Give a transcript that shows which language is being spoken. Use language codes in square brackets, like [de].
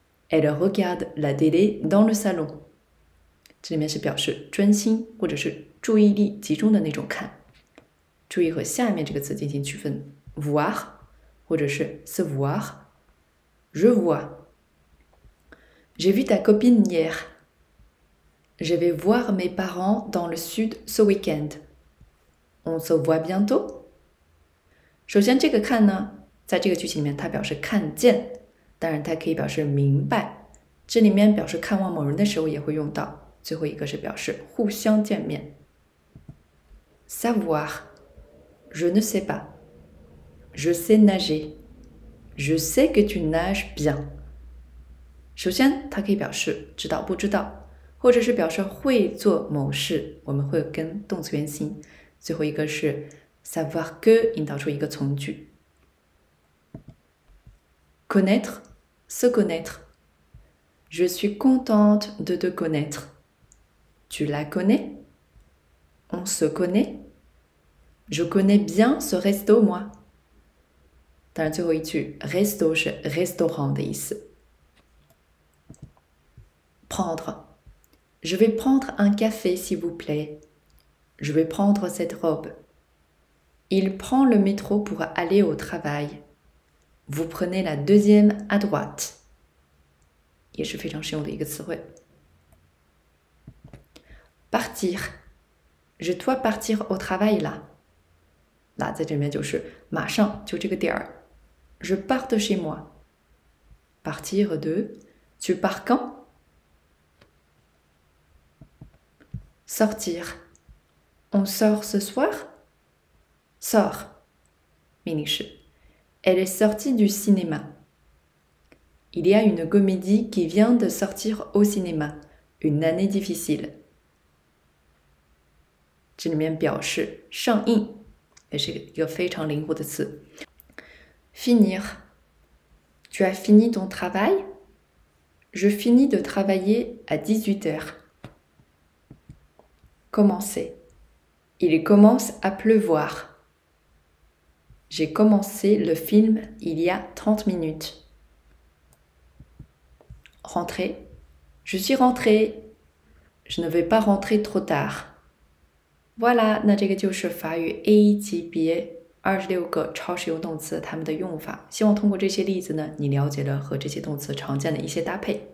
[fr] Elle regarde la télé dans le salon. [zh] 这里面是表示专心或者是注意力集中的那种看。注意和下面这个词进行区分 voir 或者是 se voir。 [fr] Je vois. J'ai vu ta copine hier. Je vais voir mes parents dans le sud ce week-end. On se voit bientôt? [zh] 首先这个看呢，在这个句型里面它表示看见，当然它可以表示明白。这里面表示看望某人的时候也会用到。最后一个是表示互相见面。 [fr] Savoir, je ne sais pas. Je sais nager. Je sais que tu nages bien. [zh] 首先，它可以表示知道不知道，或者是表示会做某事。我们会跟动词原形。最后一个是 savoir que 引导出一个从句。 [fr] Connaître, se connaître. Je suis contente de te connaître. Tu la connais? On se connaît? Je connais bien ce resto, moi. [zh] 当然最后一句 resto 是 restaurant 的意思。 [fr] Prendre. Je vais prendre un café, s'il vous plaît. Je vais prendre cette robe. Il prend le métro pour aller au travail. Vous prenez la deuxième à droite. [zh] 也是非常实用的一个词汇。 [fr] Partir. Je dois partir au travail là. [zh] Là, 在这边就是马上就这个点儿。 [fr] Je pars de chez moi. Partir de. Tu pars quand? Sortir. On sort ce soir? Sors. Minish. Elle est sortie du cinéma. Il y a une comédie qui vient de sortir au cinéma. Une année difficile. [zh] 这里面表示上映，也是一个非常灵活的词。 [fr] Finir. Tu as fini ton travail? Je finis de travailler à 18h. Commencer. Il commence à pleuvoir. J'ai commencé le film il y a 30 minutes. Rentrer. Je suis rentrée. Je ne vais pas rentrer trop tard. [zh] Voilà, 那这个就是法语 A 级别26个超实用动词它们的用法。希望通过这些例子呢，你了解了和这些动词常见的一些搭配。